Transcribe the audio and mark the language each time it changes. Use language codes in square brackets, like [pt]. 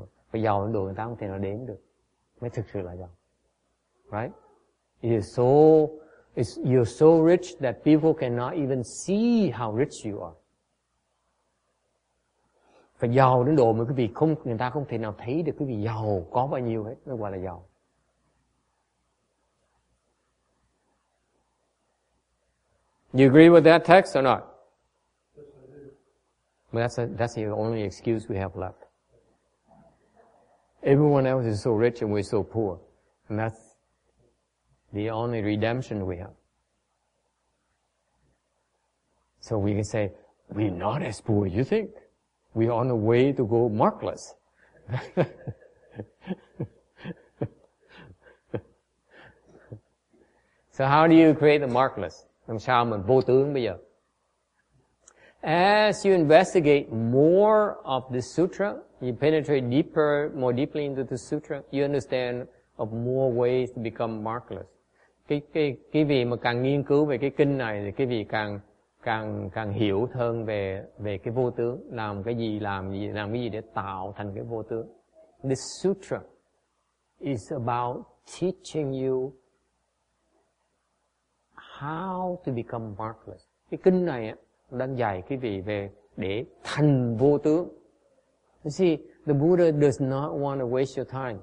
[vi] Và giàu đến độ người ta không thể nào đếm được mới thực sự là giàu. [en] Right? You're so rich that people cannot even see how rich you are. [vi] Và giàu đến độ mà quý vị không, người ta không thể nào thấy được quý vị giàu có bao nhiêu hết, mới gọi là giàu. [en] You agree with that text or not? But that's the only excuse we have left. Everyone else is so rich and we're so poor. And that's the only redemption we have. So we can say, we're not as poor as you think. We're on the way to go markless. So how do you create the markless? [vi] Làm sao mình vô tướng bây giờ? [en] As you investigate more of the sutra, you penetrate deeper, more deeply into the sutra, you understand of more ways to become markless. [vi] Cái vị mà càng nghiên cứu về cái kinh này thì cái vị càng hiểu hơn về cái vô tướng, làm cái gì để tạo thành cái vô tướng. [en] The sutra is about teaching you how to become markless. [vi] Cái kinh này á đang dạy quý vị về để thành vô tướng. [en] You see, the Buddha does not want to waste your time.